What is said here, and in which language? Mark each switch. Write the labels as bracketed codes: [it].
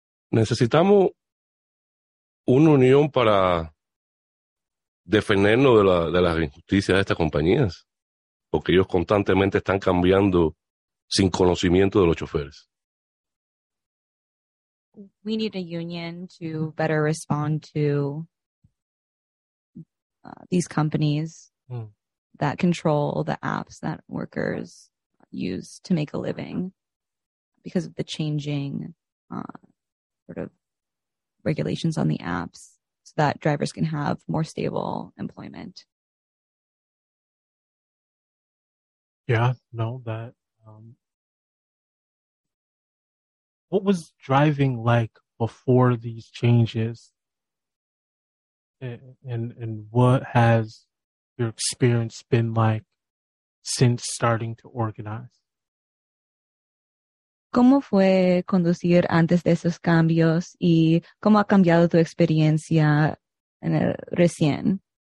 [es] Necesitamos una unión para defendernos de las injusticias de estas compañías, porque ellos constantemente están cambiando sin conocimiento de los choferes. [en] We need a union to better respond to these companies that control the apps that workers use to make a living because of the changing sort of regulations on the apps so that drivers can have more stable employment. Yeah, no, that. What was driving like before these changes, and what has your experience been like since starting to organize? [es] ¿Cómo fue conducir antes de esos cambios y cómo ha cambiado tu experiencia en el recién?